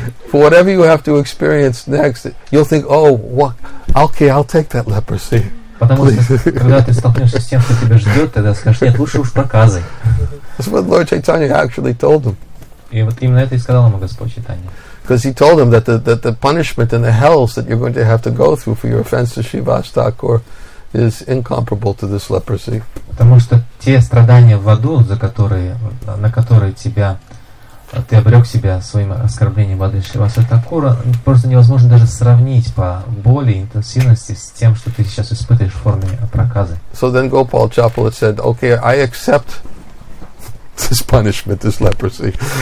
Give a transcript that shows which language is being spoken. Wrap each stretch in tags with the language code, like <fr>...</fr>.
<en>For whatever you have to experience next, you'll think, oh, what? Okay, I'll take that leprosy.</en> <ru>Потому что, когда ты столкнешься с тем, что тебя ждет, тогда скажешь, нет, лучше уж проказы.</ru> <en>That's what Lord Chaitanya actually told him.</en> <ru>И вот именно это и сказал ему Господь Чайтанья.</ru> <en>Because he told him that the punishment and the hells that you're going to have to go through for your offense to Shrivas Thakur is incomparable to this leprosy.</en> <ru>Потому что те страдания в аду, на которые тебя ты обрек себя своим оскорблением в адрес Шивасатакура, просто невозможно даже сравнить по боли и интенсивности с тем, что ты сейчас испытываешь в форме проказы.</ru> <en>So then Gopal Chapala said, okay, I accept this punishment, this leprosy.</en>